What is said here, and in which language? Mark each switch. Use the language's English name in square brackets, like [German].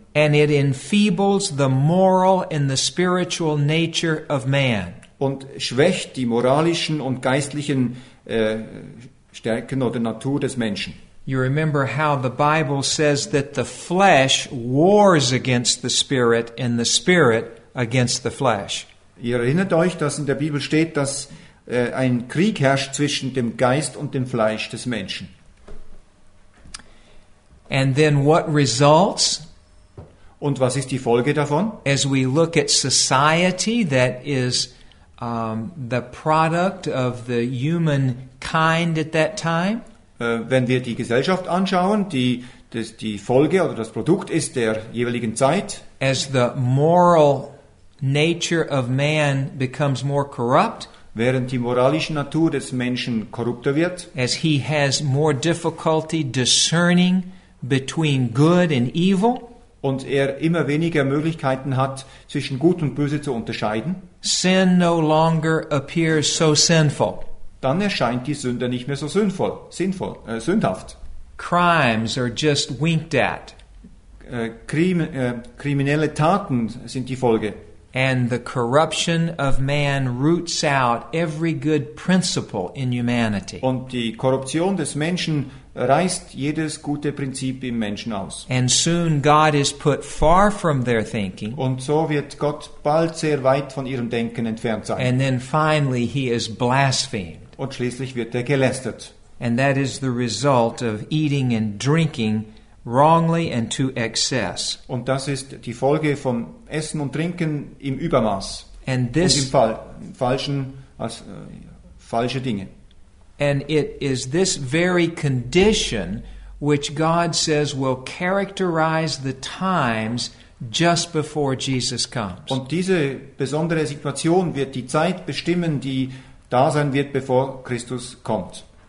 [English] And it enfeebles the moral and the spiritual nature of man. [German] Und schwächt die moralischen und geistlichen Stärken oder Natur des Menschen. [English] You remember how the Bible says that the flesh wars against the spirit and the spirit against the flesh. [German] Ihr erinnert euch, dass in der Bibel steht, dass ein Krieg herrscht zwischen dem Geist und dem Fleisch des Menschen. [English] And then what results? [German] Und was ist die Folge davon? [English] As we look at society that is the product of the human kind at that time. [German] Wenn wir die Gesellschaft anschauen, die Folge oder das Produkt ist der jeweiligen Zeit. [English] As the moral nature of man becomes more corrupt, [German] während die moralische Natur des Menschen korrupter wird, [English] as he has more difficulty discerning between good and evil, [German] und er immer weniger Möglichkeiten hat, zwischen Gut und Böse zu unterscheiden, [English] sin no longer appears so sinful. [German] Dann erscheint die Sünde nicht mehr so sündhaft. [English] Crimes are just winked at. [German] Kriminelle Taten sind die Folge. [English] And the corruption of man roots out every good principle in humanity. [German] Und die Korruption des Menschen reißt jedes gute Prinzip im Menschen aus. [English] And soon God is put far from their thinking. [German] Und so wird Gott bald sehr weit von ihrem Denken entfernt sein. [English] And then finally he is blasphemed. [German] Und schließlich wird er gelästert. [English] And that is the result of eating and drinking wrongly and to excess. [German] Und das ist die Folge vom Essen und Trinken im Übermaß. [English] And this, [German] und falsche Dinge. [English] And it is this very condition which God says will characterize the times just before Jesus comes. [German] Und diese besondere Situation wird die Zeit bestimmen, die da sein wird, bevor Christus kommt.